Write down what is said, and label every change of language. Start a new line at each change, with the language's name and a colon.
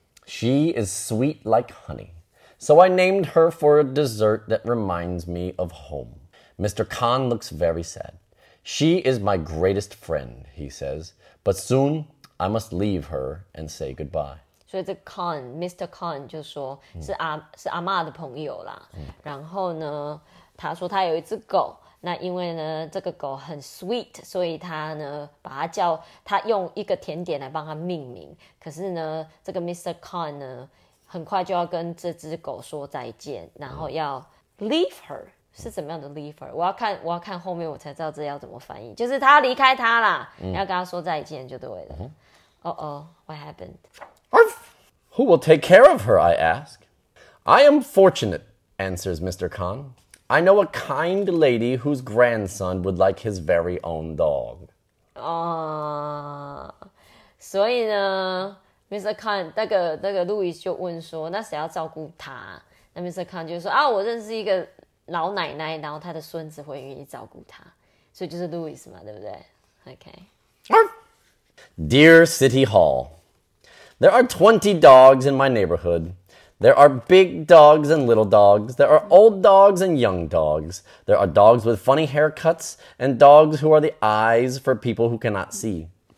English: She is sweet like honey. So I named her for a dessert that reminds me of home. Mr. Khan looks very sad. She is my greatest friend, he says. But soon I must leave her and say goodbye.
Chinese: 所以这 Khan, Mr. Khan 就说、嗯、是阿嬷的朋友啦、嗯。然后呢，他说他有一只狗。那因为呢，这个狗很 sweet， 所以他呢，把它叫他用一个甜点来帮它命名。可是呢，这个 Mr. Khan 呢，很快就要跟这只狗说再见，然后要
English: leave her，
Chinese: 是怎么样的 leave her？我要看后面我才知道这要怎么翻译，就是他要离开他啦、嗯，要跟他说再见就对了。
English: Oh, what happened? Who will take care of her? I ask. I am fortunate, answers Mr. Khan. I know a kind lady whose grandson would like his very own dog. So, Mr.
Chinese: Khan, 那个 Louis 就问说，那谁要照顾他？那 Mr. Khan 就说，啊，我认识一个老奶奶，然后他的孙子会愿意照顾他。所以就是 Louis 嘛，对不对？
English: Okay. Dear City Hall, there are 20 dogs in my neighborhood. There are big dogs and little dogs. There are old dogs and young dogs. There are dogs with funny haircuts and dogs who are the eyes for people who cannot see.